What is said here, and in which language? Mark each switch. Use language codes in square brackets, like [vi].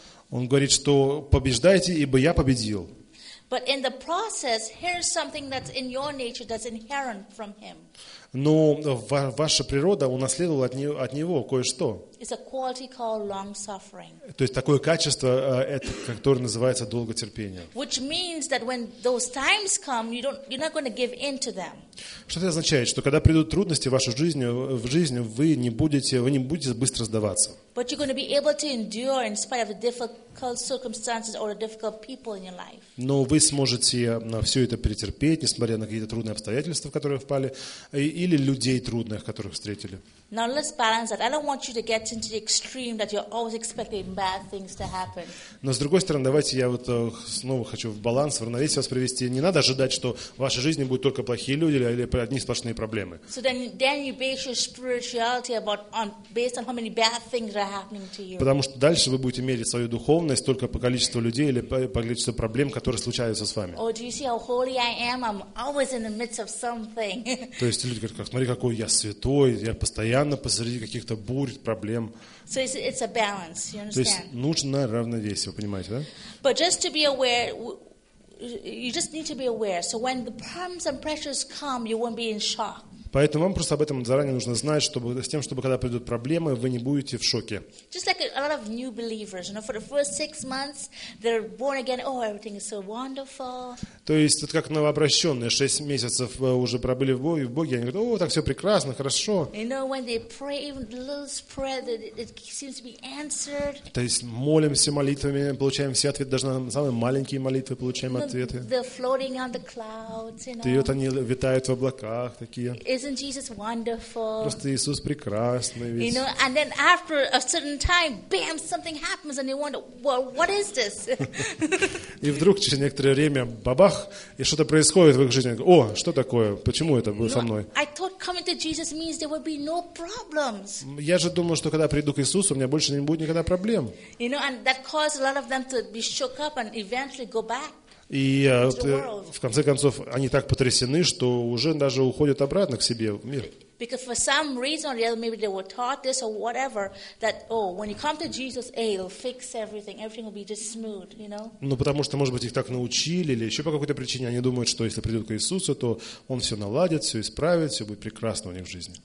[ru] Он говорит, что побеждайте, ибо я победил. [en] But in the process, here's something that's in your nature that's inherent from Him. [ru] Но ваша природа унаследовала от него кое-что. [en] It's a quality called long suffering. [ru] То есть такое качество, это, которое называется долготерпение. [en] Which means that when those times come, you're not going to give in to them. [ru] Что это означает, что когда придут трудности в вашу жизнь, вы не будете быстро сдаваться. [en] But you're going to be able to endure in spite of the difficult circumstances or the difficult people in your life. [ru] Но вы сможете на все это перетерпеть, несмотря на какие-то трудные обстоятельства, в которые впали, или людей трудных, которых встретили. [en] Now let's balance that. I don't want you to get into the extreme that you're always expecting bad things to happen. [ru] Но с другой стороны, давайте я вот снова хочу в баланс, в равновесие вас привести. Не надо ожидать, что в вашей жизни будут только плохие люди или одни сплошные проблемы. [en] So then you base your spirituality based on how many bad things are happening to you. [ru] Потому что дальше вы будете мерить свою духовность только по количеству людей или по количеству проблем, которые случаются с вами. [en] Oh, do you see how holy I am? I'm always in the midst of something. [ru] То есть люди говорят, смотри, какой я святой, я постоянно посреди каких-то бурь, проблем. [en] So it's a balance, you understand? [ru] То есть нужно равновесие, вы понимаете, да? [en] But just to be aware, you just need to be aware. So when the problems and pressures come, you won't be in shock. [ru] Поэтому вам просто об этом заранее нужно знать, чтобы с тем, чтобы когда придут проблемы, вы не будете в шоке. [en] Just like a lot of new believers, you know, for the first six months, they're born again. Oh, everything is so wonderful. [ru] То есть это как новообращенные, 6 месяцев уже пробыли в Боге, они говорят, о, так все прекрасно, хорошо. [en] You know, when they pray, even the little prayer, it seems to be answered. [ru] То есть молимся молитвами, получаем все ответы, даже на самые маленькие молитвы получаем ответы. [en] They're floating on the clouds, you know. [ru] И вот они витают в облаках такие. [en] Isn't Jesus wonderful? [ru] Просто Иисус прекрасный. [en] You know, and then after a certain time, bam, something happens, and you wonder, well, what is this? [ru] И вдруг через некоторое время бабах, и что-то происходит в их жизни. О, что такое? Почему это было со мной? [en] I thought coming to Jesus means there will be no problems. [ru] Я же думал, что когда приду к Иисусу, у меня больше не будет никогда проблем. [en] You know, and that caused a lot of them to be shook up and eventually go back. [ru] И в конце концов они так потрясены, что уже даже уходят обратно к себе в мир. [en] Because for some reason or the other, maybe they were taught this or whatever, that, oh, when you come to Jesus, hey, it'll fix everything. Everything will be just smooth, you know? [ru] Ну, потому что, может быть, их так научили, или еще по какой-то причине они думают, что если придут к Иисусу, то Он все наладит, все исправит, все будет прекрасно у них в жизни.